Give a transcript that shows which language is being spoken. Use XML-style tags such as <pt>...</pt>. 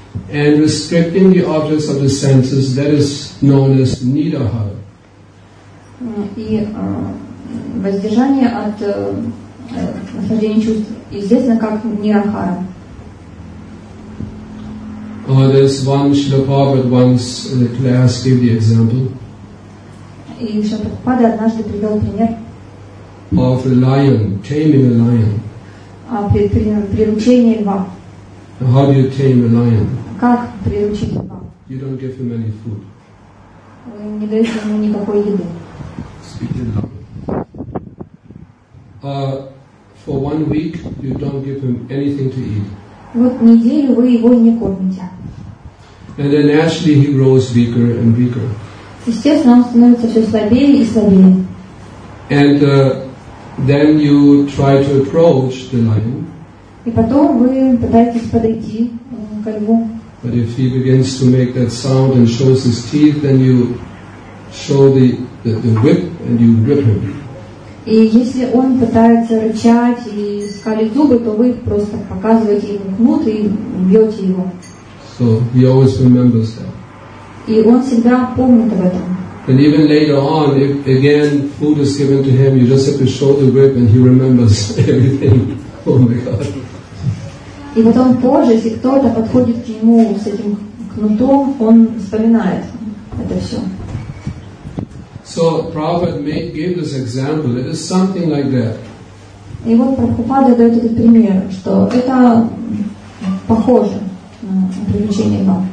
<en>And restricting the objects of the senses, that is known as nidahara.</en> <ru>И воздержание от наслаждения чувств известно как нирахара.</ru> <en>There's one Śrīla Prabhupāda once in the class gave the example.</en> <ru>И Śrīla Prabhupāda однажды привел пример.</ru> <en>Of a lion, taming a lion.</en> <ru>Приручение льва.</ru> <en>How do you tame a lion?</en> <ru>Как приручить льва?</ru> <en>You don't give him any food.</en> <ru>Вы не даете ему никакой еды.</ru> <en>For 1 week, you don't give him anything to eat.</en> <ru>Вот неделю вы его не кормите.</ru> <en>And then naturally he grows weaker and weaker.</en> <ru>Естественно, он становится все слабее и слабее.</ru> <en>And then you try to approach the lion.</en> <ru>И потом вы пытаетесь подойти к льву.</ru> <en>But if he begins to make that sound and shows his teeth, then you show the whip and you grip him.</en> <ru>И если он пытается рычать и скалить зубы, то вы просто показываете ему кнут и бьете его.</ru> <en>So he always remembers that.</en> <ru>И он всегда помнит об этом.</ru> <en>And even later on, if again food is given to him, you just have to show the whip and he remembers everything. Oh my God.</en> <ru>И потом позже, если кто-то подходит к нему с этим кнутом, он вспоминает это все.</ru> <en>So Prabhupada gave this example. It is something like that.</en> <ru>И вот Прабхупада дает этот пример, что это похоже на приучение льва.</ru>